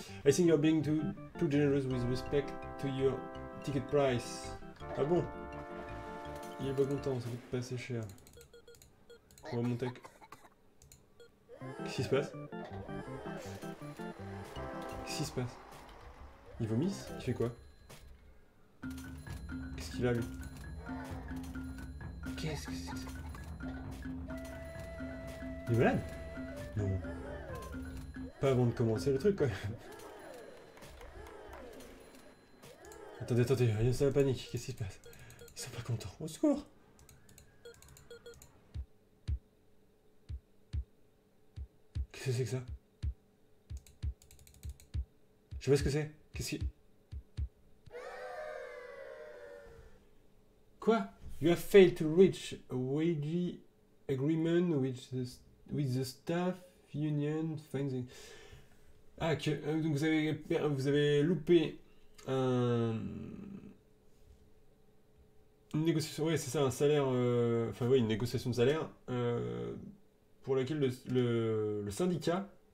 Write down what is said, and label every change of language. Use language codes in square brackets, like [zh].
[en] I think you're being too generous with respect to your ticket price. [fr] Ah bon? Il est pas content, ça coûte pas assez cher. On va monter. Qu'est-ce qui se passe? Qu'est-ce qui se passe? Il vomisse? Il fait quoi? Qu'est-ce qu'il a lui? Qu'est-ce que c'est que ça? Il est malade? Non. Pas avant de commencer le truc quand même. Attendez, attendez, rien de la panique, qu'est-ce qui se passe? Ils sont pas contents. Au secours! Qu'est-ce que c'est que ça? Je sais pas ce que c'est. Qu'est-ce qui. Quoi? [en] You have failed to reach a wage agreement with the staff union. Finding. [fr] Ah, que, donc vous avez loupé une négociation. Oui, c'est ça, un salaire. Enfin, oui, une négociation de salaire pour laquelle le syndicat.